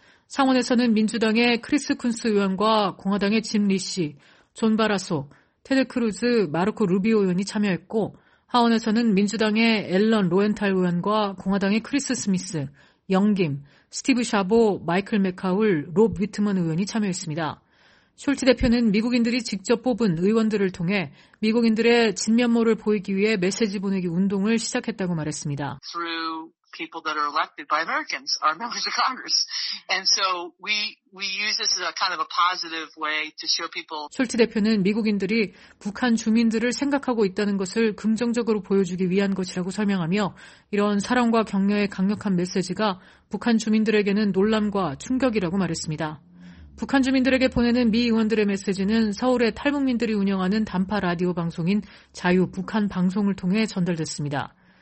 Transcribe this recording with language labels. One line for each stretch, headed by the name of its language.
Korean: 상원에서는 민주당의 크리스 쿤스 의원과 공화당의 짐 리시, 존 바라소, 테드 크루즈, 마르코 루비오 의원이 참여했고 하원에서는 민주당의 앨런 로엔탈 의원과 공화당의 크리스 스미스, 영김, 스티브 샤보, 마이클 맥하울, 롭 위트먼 의원이 참여했습니다. 숄티 대표는 미국인들이 직접 뽑은 의원들을 통해 미국인들의 진면모를 보이기 위해 메시지 보내기 운동을 시작했다고 말했습니다.
English: People that are elected by Americans, our members of Congress. And so we use this as a kind of a positive way to show people.
Korean: 숄티 대표는 미국인들이 북한 주민들을 생각하고 있다는 것을 긍정적으로 보여주기 위한 것이라고 설명하며 이런 사랑과 격려의 강력한 메시지가 북한 주민들에게는 놀람과 충격이라고 말했습니다. 북한 주민들에게 보내는 미 의원들의 메시지는 서울의 탈북민들이 운영하는 단파 라디오 방송인 자유 북한 방송을 통해 전달됐습니다.